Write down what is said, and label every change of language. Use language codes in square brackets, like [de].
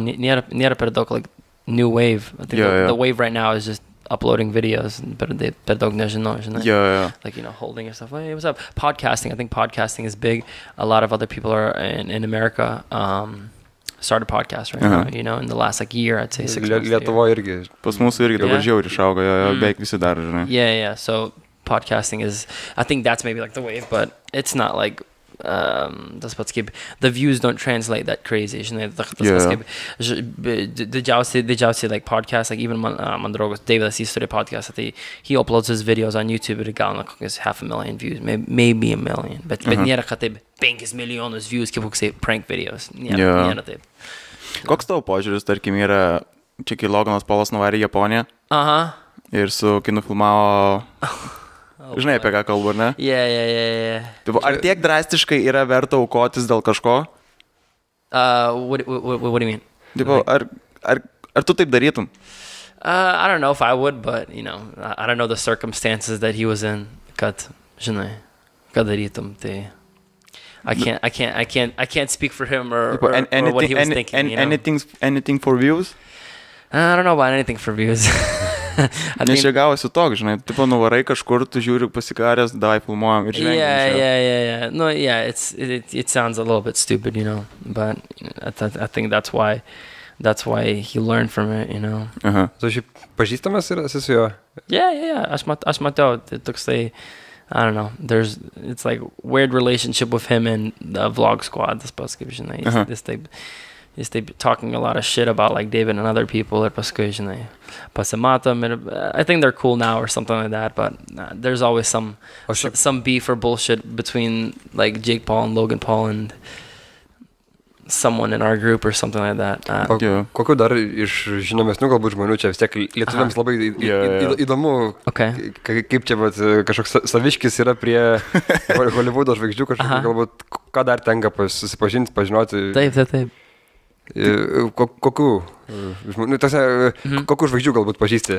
[lt] Nėra per daug [en] like new wave. I think the wave right now is just uploading videos and [lt] per daug nežinau, žinai. [en] Yeah. Like, you know, holding yourself. Hey, what's up? Podcasting. I think podcasting is big. A lot of other people are in America started a podcast right now, you know, in the last like year, I'd say 6 months. [lt] Lietuvoj irgi. Pas mūsų irgi dabar žiauri išaugo, beveik visi dar, žinai. [en] Yeah, yeah. So podcasting is, I think that's maybe like the wave, but it's not like [lt] tas pats kaip, [en] the views don't translate that crazy, [lt] žinai, tas pats kaip, didžiausiai [en] like podcast, like even [lt] man draugas Davidas, jis turi [en] podcast, tai he uploads his videos on YouTube [lt] ir gauna kokias [en] half a million views, maybe a million, [lt] bet nėra, kad taip 5 milijonus [en] views [lt] kaip koksai [en] prank videos, [lt] nėra taip. Koks tavo požiūris, tarkim, yra čia, kai Loganas Polas nuvarė į Japoniją ir su kinu filmavo... Žinai, apie ką kalbu, ar ne? [en] Yeah. [lt] Ar tiek drastiškai yra verta aukotis dėl kažko? [en] What do you mean? [lt] Tipo, like, ar tu taip darytum? [en] I don't know if I would, but, you know, I don't know the circumstances that he was in, [lt] kad, žinai, kad darytum, tai... [en] I can't speak for him or what he was thinking, you know? Anything for views? I don't know about anything for views. [lt] Nes čia gavosi toks, žinai, tipo nuvarai kažkur, tu žiūri pasikarės, davai filmuojam ir žengiam. [en] Yeah. No, yeah, it sounds a little bit stupid, you know, but I think that's why he learned from it, you know. [lt] Tu šiaip pažįstamas ir esi su jo? [en] Yeah, [lt] aš matau, toksai, [en] I don't know, it's like weird relationship with him and the vlog squad, [lt] tas pats kaip, žinai, jis taip [en] talking a lot of shit about like David and other people [lt] ir paskui, žinai, pasimatom ir [en] I think they're cool now or something like that, but there's always some beef or bullshit between like Jake Paul and Logan Paul and someone in our group or something like that. [lt] Kokiu dar iš žinomesnių galbūt žmonių čia vis tiek lietuviams labai įdomu, kaip čia kažkoks saviškis yra prie Hollywoodo žvaigždžių kažkokiu, galbūt ką dar tenka susipažinti, pažinoti. Taip. Kokių žvaigždžių galbūt pažįsti?